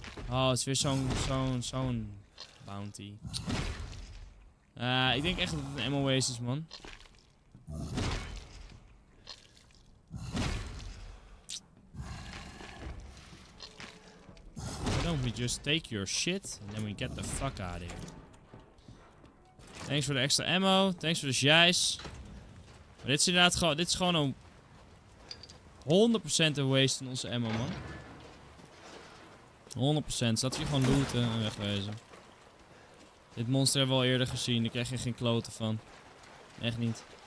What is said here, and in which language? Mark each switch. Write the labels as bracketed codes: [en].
[nl] Oh, het is weer zo'n bounty. Ik denk echt dat het een MOA's is, man. [en] Why don't we just take your shit and then we get the fuck out of here? Thanks for the extra ammo, thanks for the jijs. [nl] Maar dit is inderdaad gewoon, dit is gewoon een 100% een waste in onze ammo, man. 100%, zat hier gewoon looten en wegwezen. Dit monster hebben we al eerder gezien, daar krijg je geen kloten van. Echt niet.